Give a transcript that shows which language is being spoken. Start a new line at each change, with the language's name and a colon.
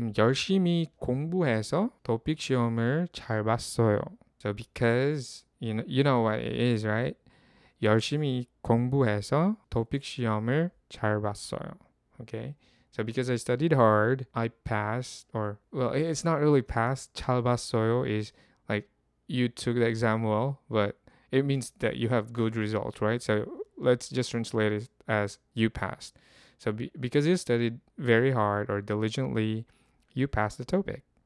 Korean: 열심히 공부해서 토픽 시험을 잘 봤어요.
English: So, because, you know what it is, right?
Korean: 열심히 공부해서 토픽 시험을 잘 봤어요.
English: Okay? So, because I studied hard, I passed, or, well, it's not really passed.
Korean: 잘 봤어요
English: is, like, you took the exam well, but it means that you have good results, right? So, let's just translate it as you passed. So because you studied very hard or diligently, you passed the topic.